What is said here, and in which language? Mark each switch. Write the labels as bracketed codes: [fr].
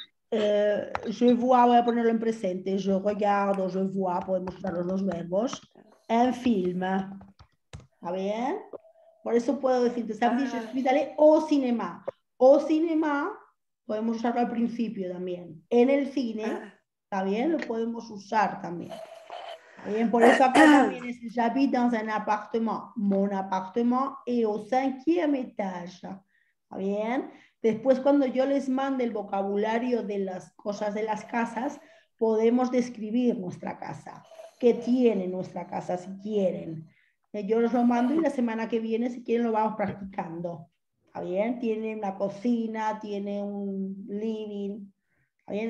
[fr] Je vois, [es] voy a ponerlo en presente. [fr] Je regarde, je vois, [es] podemos usar los dos verbos. En film. ¿Está bien? Por eso puedo decirte, ¿sabes? [fr] Je suis allé au cinéma. Au cinéma, [es] podemos usarlo al principio también. En el cine, ¿está bien? Lo podemos usar también. ¿Está bien? Por eso acá también es [fr] j'habite dans un appartement. Mon appartement est au cinquième étage. [es] ¿Está bien? Después, cuando yo les mande el vocabulario de las cosas de las casas, podemos describir nuestra casa. ¿Qué tiene nuestra casa, si quieren? Yo los lo mando y la semana que viene, si quieren, lo vamos practicando. ¿Está bien? Tiene una cocina, tiene un living. ¿Está bien?